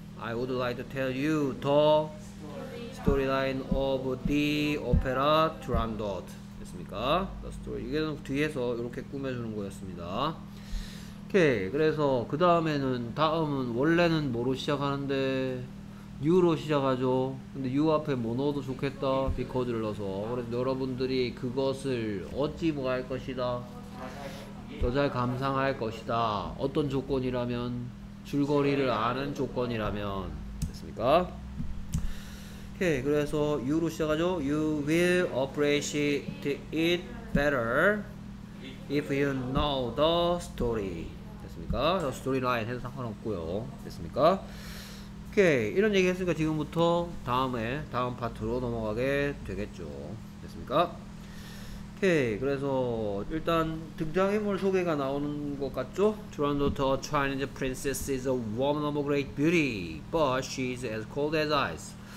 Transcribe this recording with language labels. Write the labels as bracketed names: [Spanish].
[English] I would like to tell you the storyline of the opera Turandot. [Korean] 됐습니까? [English] The story. [Korean] 이게 뒤에서 이렇게 꾸며주는 거였습니다. 오케이. 그래서 그 다음에는 다음은 원래는 뭐로 시작하는데 you로 시작하죠. 근데 you 앞에 뭐 넣어도 좋겠다. because를 넣어서. 그래서 여러분들이 그것을 어찌 뭐 할 것이다. 더 잘 감상할 것이다. 어떤 조건이라면 줄거리를 아는 조건이라면 됐습니까? 오케이. 그래서 you로 시작하죠. [English] you will appreciate it better if you know the story. [Korean] 됐습니까? 스토리라인 해도 상관없고요. 됐습니까? 오케이. 이런 얘기 했으니까 지금부터 다음 파트로 넘어가게 되겠죠. 됐습니까? 오케이. 그래서 일단 등장인물 소개가 나오는 것 같죠? [English] Turandot, a Chinese princess, is a woman of great beauty, but she is as cold as ice.